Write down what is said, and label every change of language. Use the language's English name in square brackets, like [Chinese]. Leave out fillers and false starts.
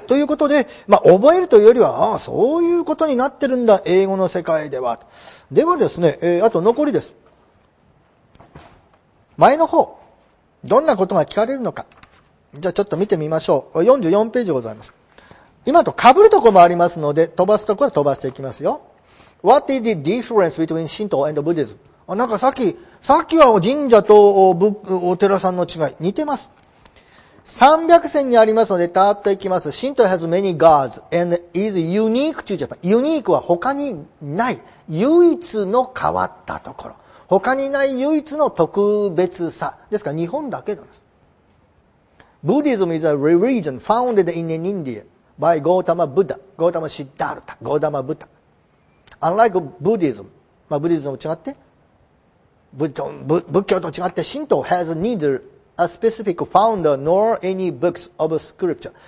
[Japanese] ということで、まあ、覚えるというよりは、ああ、そういうことになってるんだ、英語の世界では。ではですね、あと残りです。前の方、どんなことが聞かれるのか。じゃあちょっと見てみましょう。 44ページございます。今と被るところもありますので、飛ばすところは飛ばしていきますよ。 [English] What is the difference between Shinto and Buddhism? [Japanese] あ、なんかさっきは神社とお寺さんの違い、似てます。 300線にありますので、たっといきます。 [English] Shinto has many gods and is unique to Japan. [Japanese] Unique は他にない、唯一の変わったところ。他にない唯一の特別さ。ですから日本だけなんです。 [English] Buddhism is a religion founded in India by Gautama Buddha. Gautama Siddhartha. Gautama Buddha. Unlike Buddhism, まあ、Buddhism [Japanese] と違って、仏教と違って、 [English] Shinto has neither a specific founder nor any books of scripture.